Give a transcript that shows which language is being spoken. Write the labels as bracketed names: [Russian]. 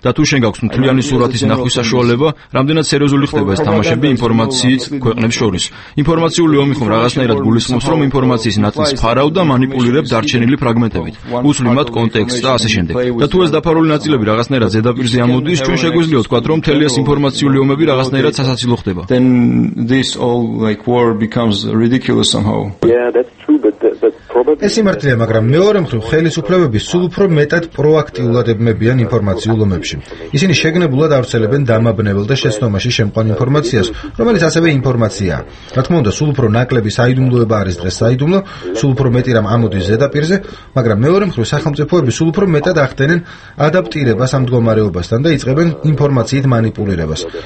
[Georgian] და თუ შენ გაქვს მთლიანი სურათის ნახვის საშუალება, რამდენად სერიოზული ხდება ეს თამაშები ინფორმაციით ქვეყნებს შორის. ინფორმაციული ომი ხომ რაღაცნაირად გულისხმობს, რომ ინფორმაციის ნაწილს ფარავ და манипулиრებს დარჩენილი ფრაგმენტებით, უსლიმად კონტექსტს და ასე შემდეგ. და თუ ეს დაფარული ნაწილები რაღაცნაირად ზედაპირზე ამოდის, ჩვენ შეგვიძლია ვთქვა, რომ მთელი ეს ინფორმაციული ომები რაღაცნაირად სასაცილო ხდება. [English] Then this all like war becomes ridiculous somehow. [Georgian] ეს იმართლია, მაგრამ მეორე მხრივ ხელისუფლებები სულ უფრო მეტად პროაქტიულად ებმებიან ინფორმაციულ ომებში. ისინი შეგნებულად არცელებენ დამაბნეველ და შეცნობაში შემყვან ინფორმაციას, რომელიც ასევე ინფორმაციაა. რა თქმა უნდა, სულ უფრო ნაკლები საიდუმლოება არის დღეს საიდუმლო, სულ უფრო მეტი რამ ამოდის ზედაპირზე, მაგრამ მეორე მხრივ სახელმწიფოები სულ უფრო მეტად ახდენენ ადაპტირებას ამ მდგომარეობასთან და იწყებენ ინფორმაციით მანიპულირებას.